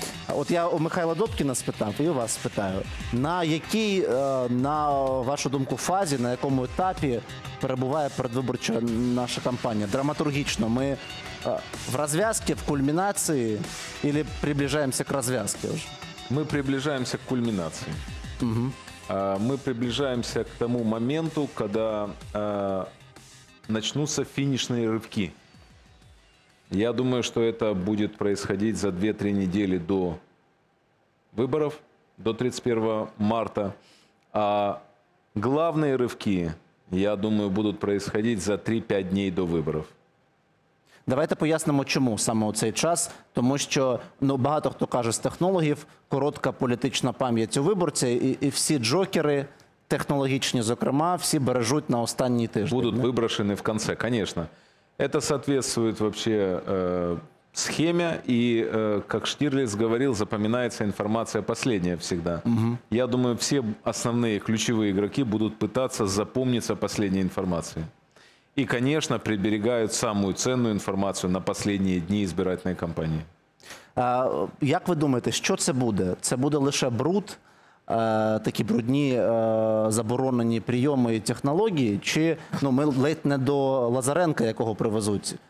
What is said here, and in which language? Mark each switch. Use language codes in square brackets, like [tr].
[uk] От я у Михайла Добкіна спитав, і у вас спитаю. На якій, на вашу думку, фазі, на якому етапі перебуває передвиборча наша кампанія? Драматургічно, ми в розв'язці, в кульмінації, або приближаємося до розв'язки вже? Ми приближаємося к кульминации. Угу. [ru] Мы приближаемся к тому моменту, когда начнутся финишные рывки. Я думаю, что это будет происходить за 2-3 недели до выборов, до 31 марта. А главные рывки, я думаю, будут происходить за 3-5 дней до выборов. [uk] Давайте пояснимо, чому саме у цей час. Тому що, ну, багато хто каже з технологів, коротка політична пам'ять у виборця, і всі джокери технологічні, зокрема, всі бережуть на останній тиждень. Будуть виброшені в кінці, звісно. Це відповідає взагалі схемі, і, як Штірліц говорив, запам'ятається інформація останнє завжди. Угу. Я думаю, всі основні ключові ігроки будуть намагатися запам'ятися останньою інформацією. [ru] И, конечно, приберегают самую ценную информацию на последние дни избирательной кампании. Как вы думаете, что это будет? Это будет лишь бруд, такие брудные заборонені приемы и технологии? [uk] Чи, ну, мы ледь не до Лазаренко, якого привезут?